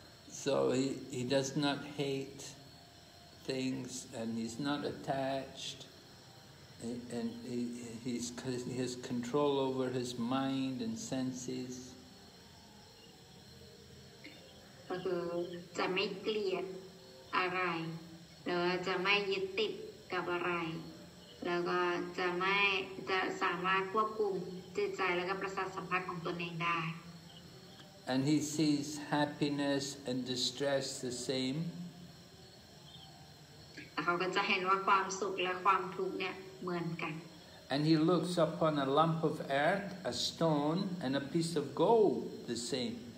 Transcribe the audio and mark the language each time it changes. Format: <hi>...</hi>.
<en>So he does not hate things, and he's not attached, and he has control over his mind and senses.</en> <th>ก็คือจะไม่เกลียดอะไรหรือจะไม่ยึดติดกับอะไรแล้วก็จะไม่จะสามารถควบคุมจิตใจแล้วก็ประสาทสัมผัสของตนเองได้</th> <en>And he sees happiness and distress the same</en> <th>เขาก็จะเห็นว่าความสุขและความทุกข์เนี่ยเหมือนกัน</th> <en>And he looks upon a lump of earth a stone and a piece of gold the same</en>